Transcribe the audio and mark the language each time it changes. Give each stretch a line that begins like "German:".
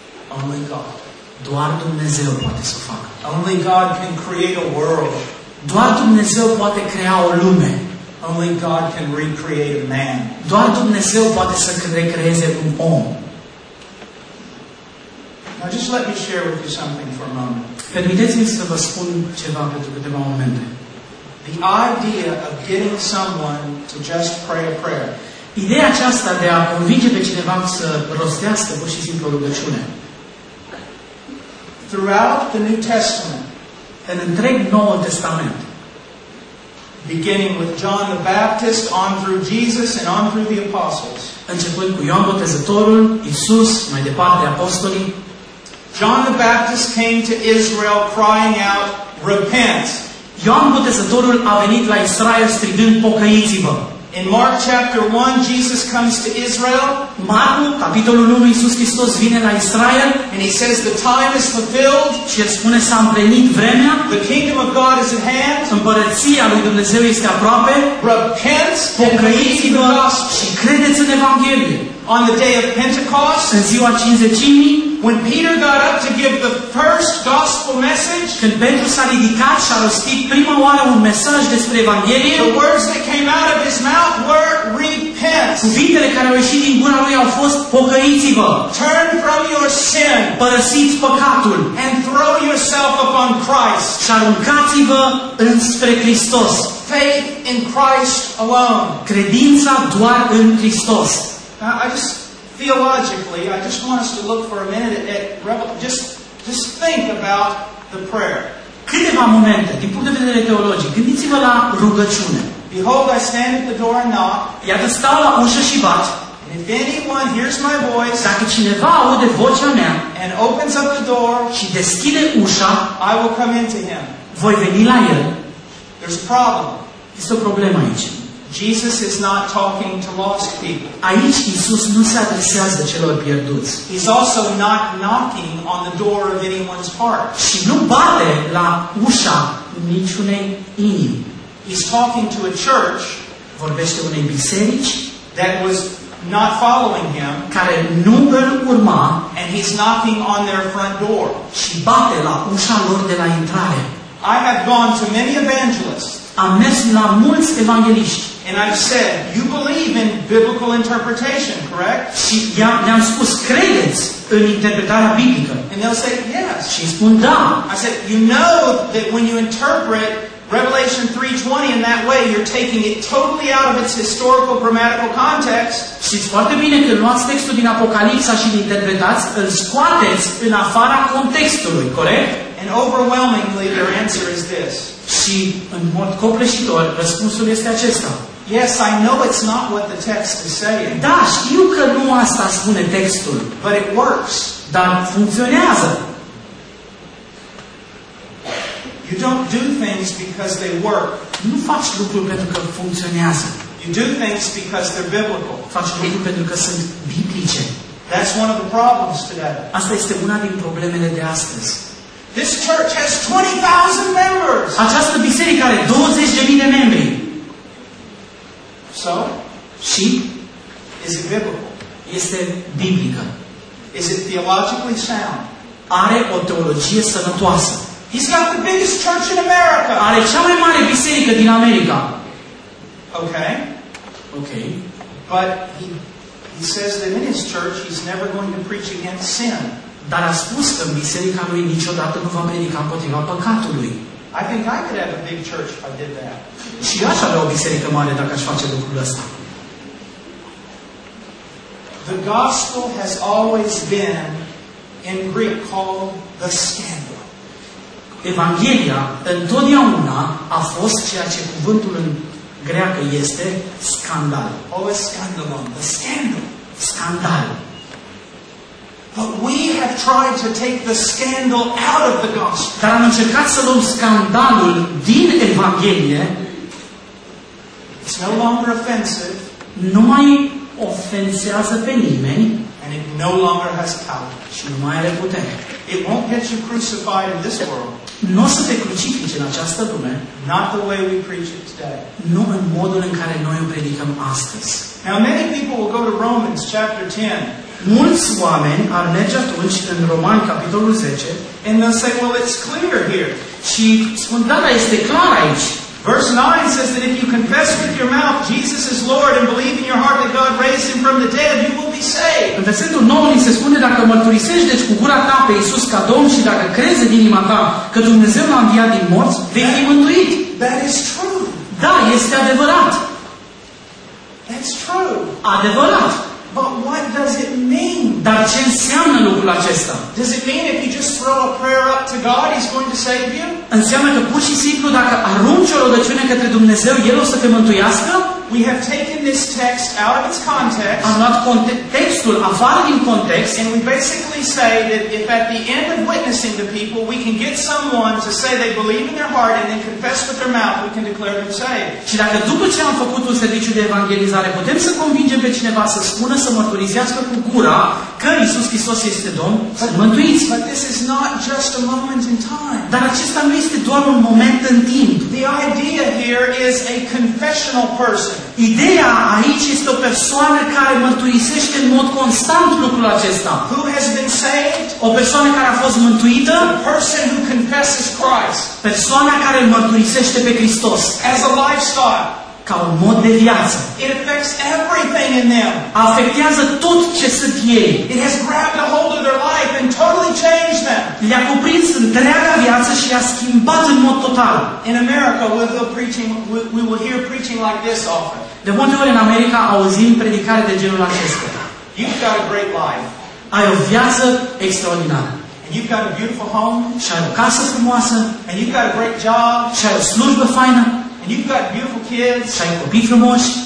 English: Only God.
Romanian: Doar Dumnezeu poate să o facă.
English: Only God can create a world.
Romanian: Doar Dumnezeu poate crea o lume.
English: Only God can recreate a man.
Romanian: Doar Dumnezeu poate să recreeze un om.
English: Now just let me share with you something for a moment.
Romanian: Permiteți-mi să vă spun ceva pentru câteva momente.
English: The idea of getting someone to just pray a prayer.
Romanian: Ideea aceasta de a convinge pe cineva să rostească pur și simplu rugăciune.
English: Throughout the New Testament,
Romanian: în întreg Noul Testament,
English: beginning with John the Baptist, on through Jesus and on through the apostles,
Romanian: începând cu Ioan Botezătorul, Isus, mai departe apostolii,
English: John the Baptist came to Israel crying out, "Repent!"
Romanian: Ioan Botezătorul a venit la Israel strigând, "Pocăiți-vă!"
English: In Mark chapter 1, Jesus comes to Israel.
Romanian: Marcu, capitolul 1, Iisus Hristos vine la Israel.
English: And he says, the time is fulfilled.
Romanian: Și el spune, s-a împlinit vremea.
English: The kingdom of God is at hand.
Romanian: Împărăția lui Dumnezeu este aproape.
English: Repent.
Romanian: Pocăiți-vă și credeți în Evanghelie.
English: On the day of Pentecost,
Romanian: în ziua cincizecimii,
English: when Peter got up to give the first gospel message,
Romanian: când Petru s-a ridicat și a rostit prima oară un mesaj despre Evanghelie,
English: the words that came out of his mouth were repent.
Romanian: Cuvintele care au ieșit din gura lui au fost pocăiți-vă.
English: Turn from your sin.
Romanian: Părăsiți păcatul.
English: And throw yourself upon Christ.
Romanian: Și aruncați-vă înspre Hristos.
English: Faith in Christ alone.
Romanian: Credința doar în Hristos.
English: I just want us to look for a minute at just think about the prayer.
Romanian: Câteva momente, din punct de vedere teologic, gândiți-vă la rugăciune.
English: Behold, I stand at the door and knock.
Romanian: Iată, stau la ușă și bat.
English: And if anyone hears my voice,
Romanian: dacă cineva aude vocea mea,
English: and opens up the door,
Romanian: și deschide ușa,
English: I will come into him.
Romanian: Voi veni la el.
English: There's a problem.
Romanian: Este o problemă aici.
English: Jesus is not talking to lost people.
Romanian: Aici Iisus nu se adresează celor pierduți.
English: He's also not knocking on the door of anyone's heart.
Romanian: Și nu bate la ușa niciunei inimi.
English: He's talking to a church.
Romanian: Vorbește unei biserici
English: that was not following him,
Romanian: care nu îl urma,
English: and he's knocking on their front door.
Romanian: Și bate la ușa lor de la intrare.
English: I have gone to many evangelists.
Romanian: Am mers la mulți evangeliști.
English: And I've said, you believe in biblical interpretation, correct?
Romanian: Și i-am spus, credeți în interpretarea biblică?
English: And they'll say, yes.
Romanian: Și spun, da.
English: I said, you know that when you interpret Revelation 3:20 in that way, you're taking it totally out of its historical grammatical context.
Romanian: Știți foarte bine că luați textul din Apocalipsa și îl interpretați, îl scoateți în afara contextului, corect?
English: And overwhelmingly their answer is this.
Romanian: Și în mod copleșitor, răspunsul este acesta.
English: Yes, I know it's not what the text is saying.
Romanian: Da, știu că nu asta spune textul.
English: But it works.
Romanian: Dar funcționează.
English: You don't do things because they work.
Romanian: Nu faci lucruri pentru că funcționează.
English: You do things because they're biblical.
Romanian: Faci lucruri pentru că sunt biblice.
English: That's one of the problems today.
Romanian: Asta este una din problemele de astăzi.
English: This church has 20,000 members.
Romanian: Această biserică are 20,000 de membri.
English: So?
Romanian: Și?
English: Is it biblical?
Romanian: Este biblică.
English: Is it theologically sound?
Romanian: Are o teologie sănătoasă.
English: He's got the biggest church in America.
Romanian: Are cea mai mare biserică din America.
English: Okay.
Romanian: Okay.
English: But he says that in his church he's never going to preach against sin.
Romanian: Dar a spus că în biserica lui niciodată nu va predica împotriva păcatului.
English: I think I could have a big church if I did that.
Romanian: Și aș avea o biserică mare dacă aș face lucrul ăsta.
English: The gospel has always been in Greek called the scandal.
Romanian: Evanghelia întotdeauna a fost ceea ce cuvântul în greacă este scandal.
English: Always scandalon, the scandal.
Romanian: Scandal.
English: But we have tried to take the scandal out of the gospel.
Romanian: Dar am încercat să luăm scandalul din Evanghelie.
English: It's no longer offensive.
Romanian: Nu mai ofensează pe nimeni.
English: And it no longer has power.
Romanian: Și nu mai are putere.
English: It won't get you crucified in this world.
Romanian: Nu o să te crucifice în această lume.
English: Not the way we preach it today.
Romanian: Nu în modul în care noi o predicăm astăzi.
English: Now many people will go to Romans chapter 10.
Romanian: Mulți oameni ar merge atunci în Romani capitolul 10
English: and they'll say, well, it's clear here.
Romanian: Și spun, da, da, este clar aici.
English: Verse 9 says that if you confess with your mouth Jesus is Lord and believe in your heart that God raised him from the dead, you will be saved.
Romanian: În versetul 9 se spune, dacă mărturisești deci cu gura ta pe Iisus ca Domn și dacă crezi în inima ta că Dumnezeu l-a înviat din morți, vei fi mântuit.
English: That is true.
Romanian: Da, este adevărat.
English: That's true.
Romanian: Adevărat.
English: But what does it mean?
Romanian: Dar ce înseamnă lucrul acesta?
English: Does it mean if you just throw a prayer up to God, He's going to save you?
Romanian: Înseamnă că pur și simplu dacă arunci o rugăciune către Dumnezeu, El o să te mântuiască?
English: We have taken this text out of its context.
Romanian: Am luat textul afară din context.
English: And we basically say that if at the end of witnessing the people, we can get someone to say they believe in their heart and then confess with their mouth, we can declare them saved.
Romanian: Și dacă după ce am făcut un serviciu de evangelizare, putem să convingem pe cineva să spună, să mărturisească cu gura că Iisus Hristos este Domn, sunt mântuiți.
English: But this is not just a moment in time.
Romanian: Dar acesta nu este doar un moment în timp.
English: The idea here is a confessional person.
Romanian: Ideea aici este o persoană care mărturisește în mod constant lucrul acesta.
English: Who has been saved?
Romanian: O persoană care a fost mântuită.
English: The person who confesses Christ.
Romanian: Persoana care mărturisește pe Hristos.
English: As a lifestyle.
Romanian: Ca un mod de viață.
English: It affects everything in them.
Romanian: Afectează tot ce sunt ei.
English: It has grabbed a hold of their life and totally changed them.
Romanian: Le-a cuprins întreaga viață și i-a schimbat în mod total.
English: In America, we will hear preaching like this often.
Romanian: De multe ori în America auzim predicare de genul acesta.
English: You've got a great life.
Romanian: Ai o viață extraordinară.
English: And you've got a beautiful home.
Romanian: Și ai o casă frumoasă.
English: And you've got a great job.
Romanian: Și ai o slujbă faină.
English: You've got beautiful kids.
Romanian: Și ai copii frumoși.